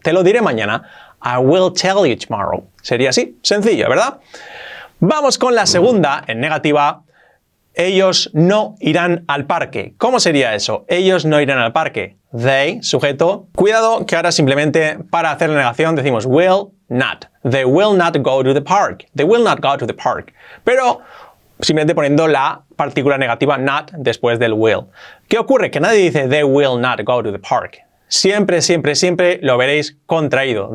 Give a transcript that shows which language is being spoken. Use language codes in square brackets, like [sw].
[es] Te lo diré mañana, [en] I will tell you tomorrow. [es] Sería así, sencillo, ¿verdad? Vamos con la segunda, en negativa. Ellos no irán al parque. ¿Cómo sería eso? Ellos no irán al parque. They, sujeto. Cuidado que ahora simplemente para hacer la negación decimos will not. [en] They will not go to the park. They will not go to the park. [es] Pero simplemente poniendo la partícula negativa not después del will. ¿Qué ocurre? Que nadie dice [en] they will not go to the park. [es] Siempre, siempre, siempre lo veréis contraído.